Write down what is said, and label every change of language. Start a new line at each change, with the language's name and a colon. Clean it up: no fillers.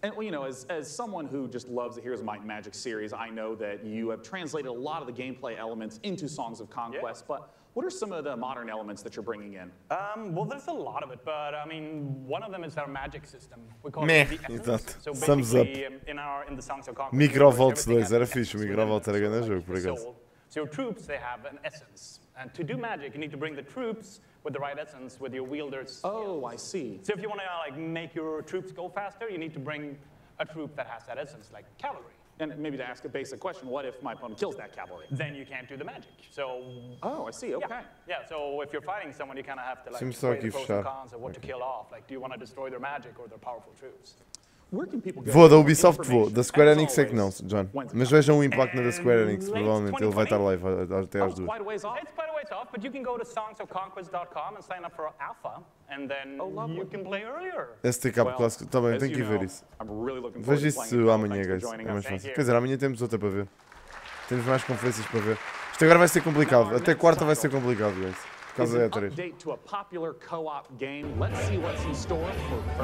English: And well, you know, as someone who just loves the Heroes of Might and Magic series, I know that you have translated a lot of the gameplay elements into Songs of Conquest, yeah. but what are some of the modern elements that you're bringing in? Well, there's a lot of it, but I mean, one of them is our magic system. We call meh, it the essence. So basically, sums up. In the Songs of Conquest,
Portuguese: Microvolts 2, era fixe, Microvolts era grande jogo, por
English: so your troops, they have an essence. And to do magic, you need to bring the troops with the right essence, with your wielders. Oh, I see. So if you want to like make your troops go faster, you need to bring a troop that has that essence, like cavalry. And maybe to ask a basic question, what if my opponent kills that cavalry? Then you can't do the magic. So. Oh, I see. Okay. Yeah. So if you're fighting someone, you kind of have to like weigh the pros and cons of what to kill off. Like, do you want to destroy their magic or their powerful troops? Where can people go?
Portuguese: Vou, da Ubisoft vou. Da Square Enix é que não, John. Mas vejam o impacto na da Square Enix, provavelmente. Ele vai estar live até às duas.
English: It's quite a ways off, but you can go to songsofconquest.com and sign up for Alpha, and then you can play earlier.
Portuguese: STK Clássico, tá bem, tenho que ver isso. Vejo isso amanhã, guys. É mais fácil. Quer dizer, amanhã temos outra para ver. Temos mais conferências para ver. Isto agora vai ser complicado. Até quarta vai ser complicado, guys.
English: Is an update to a popular co-op game. Let's see what's in store for.